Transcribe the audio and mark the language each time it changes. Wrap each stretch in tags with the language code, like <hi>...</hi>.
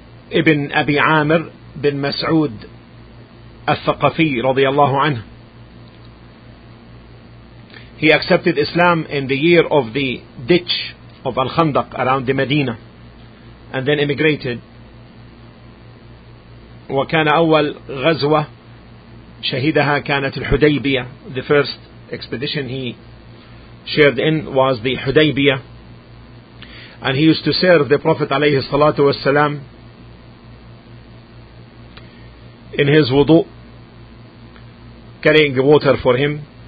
<en>Ibn Abi Amir bin Mas'ud Al-Thaqafi radiyallahu anhu. He accepted Islam in the year of the ditch of Al-Khandaq around the Medina, and then immigrated.</en> <ar>وكان أول غزوة شهدها كانت الحديبية.</ar> <en>The first expedition he shared in was the Hudaybiyah. And he used to serve the Prophet</en> <ar>عليه الصلاة والسلام</ar> <en>in his wudu, carrying water for him.</en>